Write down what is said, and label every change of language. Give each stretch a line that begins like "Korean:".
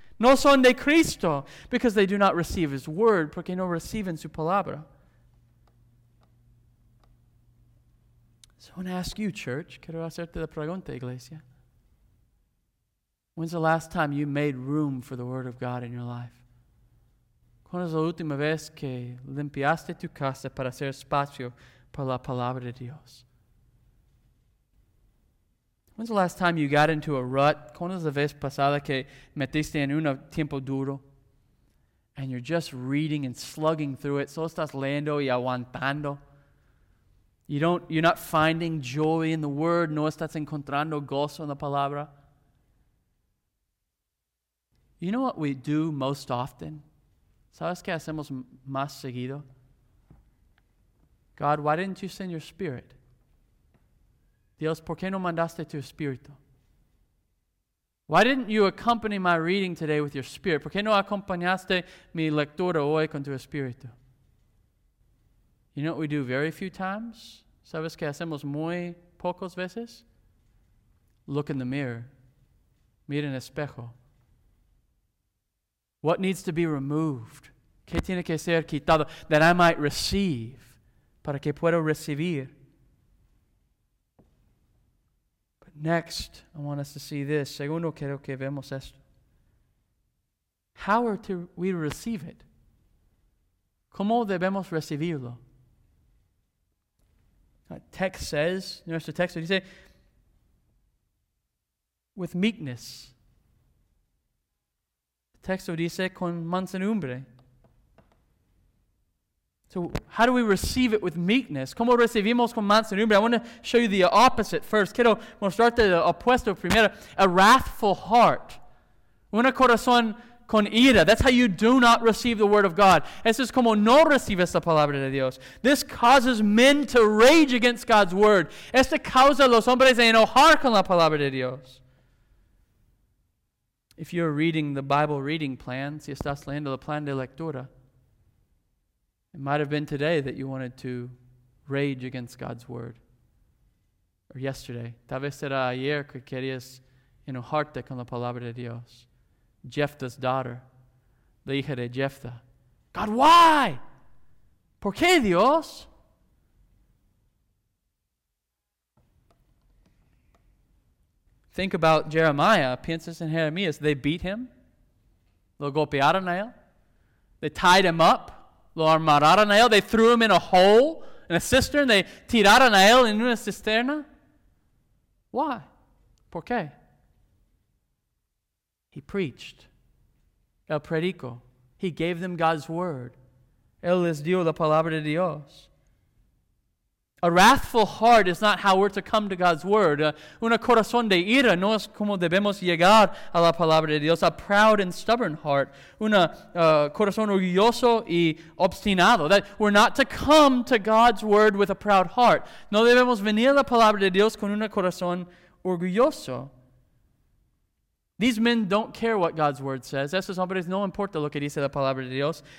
Spanish: No son de Cristo,
English: because they do not receive his word,
Spanish: porque no reciben su palabra.
English: So I want to ask you, church,
Spanish: quiero hacerte la pregunta, iglesia.
English: When's the last time you made room for the Word of God in your life?
Spanish: ¿Cuándo es la última vez que limpiaste tu casa para hacer espacio para la Palabra de Dios?
English: When's the last time you got into a rut?
Spanish: ¿Cuándo es la vez pasada que metiste en un tiempo duro?
English: And you're just reading and slugging through it.
Spanish: Solo estás leyendo y aguantando.
English: You're not finding joy in the Word.
Spanish: No estás encontrando gozo en la Palabra.
English: You know what we do most often?
Spanish: ¿Sabes qué hacemos más seguido?
English: God, why didn't you send your spirit?
Spanish: Dios, ¿por qué no mandaste tu espíritu?
English: Why didn't you accompany my reading today with your spirit?
Spanish: ¿Por qué no acompañaste mi lectura hoy con tu espíritu?
English: You know what we do very few times?
Spanish: ¿Sabes qué hacemos muy pocas veces?
English: Look in the mirror.
Spanish: Mira en el espejo.
English: What needs to be removed?
Spanish: ¿Qué tiene que ser quitado?
English: That I might receive.
Spanish: Para que pueda recibir.
English: But next, I want us to see this.
Spanish: Segundo, quiero que vemos esto.
English: How are we to receive it?
Spanish: ¿Cómo debemos recibirlo? Nuestro texto dice,
English: with meekness.
Spanish: Texto dice, con mansedumbre.
English: So how do we receive it with meekness?
Spanish: ¿Cómo recibimos con mansedumbre?
English: I want to show you the opposite first.
Spanish: Quiero mostrarte lo opuesto primero.
English: A wrathful heart.
Spanish: Un corazón con ira.
English: That's how you do not receive the word of God.
Spanish: Eso es como no recibes la palabra de Dios.
English: This causes men to rage against God's word.
Spanish: Esto causa los hombres de enojar con la palabra de Dios.
English: If you're reading the Bible reading plan,
Spanish: si estás leyendo el plan de lectura,
English: it might have been today that you wanted to rage against God's word. Or yesterday.
Spanish: Tal vez era ayer que querías enojarte con la palabra de Dios.
English: Jephthah's daughter,
Spanish: la hija de Jephthah.
English: God, why?
Spanish: ¿Por qué, Dios?
English: Think about Jeremiah.
Spanish: Piensas en Jeremías.
English: They beat him.
Spanish: Lo golpearon a él.
English: They tied him up.
Spanish: Lo armaron a él.
English: They threw him in a hole, in a cistern.
Spanish: They tiraron a él en una cisterna.
English: Why?
Spanish: ¿Por qué?
English: He preached.
Spanish: El predico.
English: He gave them God's word.
Spanish: Él les dio la palabra de Dios.
English: A wrathful heart is not how we're to come to God's word.
Spanish: Un corazón de ira no es como debemos llegar a la palabra de Dios.
English: A proud and stubborn heart.
Spanish: Un corazón orgulloso y obstinado.
English: That we're not to come to God's word with a proud heart.
Spanish: No debemos venir a la palabra de Dios con un corazón orgulloso.
English: These men don't care what God's word says.
Spanish: Esos hombres no importa lo que dice la palabra de Dios.